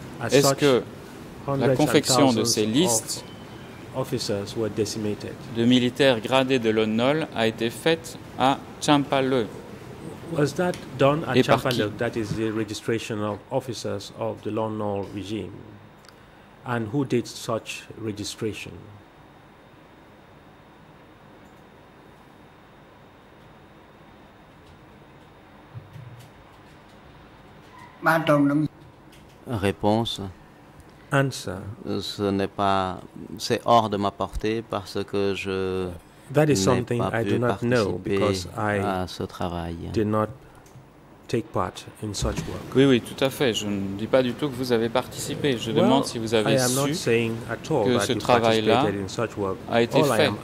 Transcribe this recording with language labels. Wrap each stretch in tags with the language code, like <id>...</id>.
<fr>Est-ce que la confection de ces listes de militaires gradés de l'ONNOL a été faite à Champaleu?</fr> <en>Was that done at Champaleu? That is the registration of officers of the Lonnol regime. And who did such registration? Réponse. Answer.</en> <fr>Ce n'est pas. C'est hors de ma portée parce que je.</fr> <en>That is something I do not know because I did not take part in such work.</en> <fr>Oui, oui, tout à fait. Je ne dis pas du tout que vous avez participé. Je demande si vous avez su que ce travail-là a été fait.</fr>